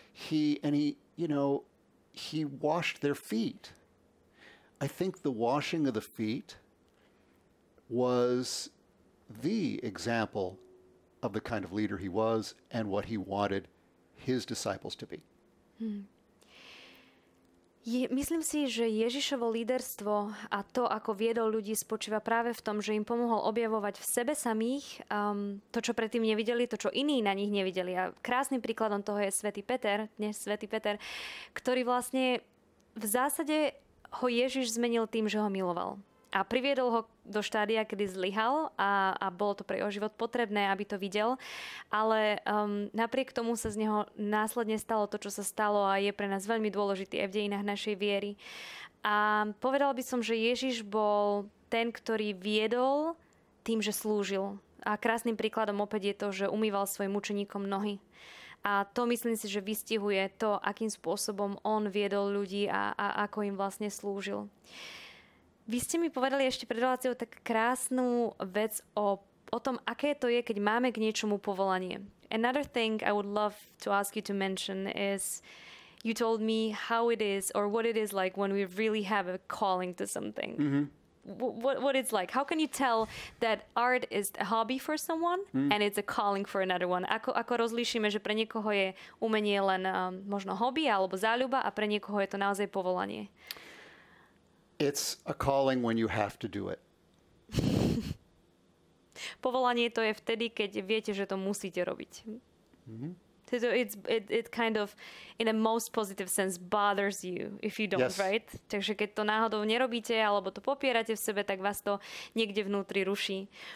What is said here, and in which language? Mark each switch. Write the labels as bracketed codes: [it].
[en] He washed their feet. I think the washing of the feet was the example of the kind of leader he was and what he wanted his disciples to be. [sk] Myslím si, že Ježišovo líderstvo a to, ako viedol ľudí, spočíva práve v tom, že im pomohol objavovať v sebe samých to, čo predtým nevideli, to, čo iní na nich nevideli. A krásnym príkladom toho je svätý Peter, dnes svätý Peter, ktorý vlastne v zásade ho Ježiš zmenil tým, že ho miloval. A priviedol ho do štádia, kedy zlyhal a bolo to pre jeho život potrebné, aby to videl. Ale napriek tomu sa z neho následne stalo to, čo sa stalo a je pre nás veľmi dôležitý aj v dejinách našej viery. A povedal by som, že Ježiš bol ten, ktorý viedol tým, že slúžil. A krásnym príkladom opäť je to, že umýval svojim učeníkom nohy. A to myslím si, že vystihuje to, akým spôsobom on viedol ľudí a ako im vlastne slúžil. Vy ste mi povedali ešte pred reláciou tak krásnu vec o tom, aké to je, keď máme k niečomu povolanie. [en] Another thing I would love to ask you to mention is you told me how it is or what it is like when we really have a calling to something. Mm-hmm. What it's like. How can you tell that art is a hobby for someone and it's a calling for another one? [sk] Ako rozlíšime, že pre niekoho je umenie len možno hobby alebo záľuba a pre niekoho je to naozaj povolanie? [en] It's a calling when you have to do it. [sk] Povolanie to je vtedy, keď viete, že to musíte robiť. Mm-hmm. [en] So it kind of, in a most positive sense, bothers you if you don't, yes. Right? [sk] Takže keď to náhodou nerobíte, alebo to popierate v sebe, tak vás to niekde vnútri ruší.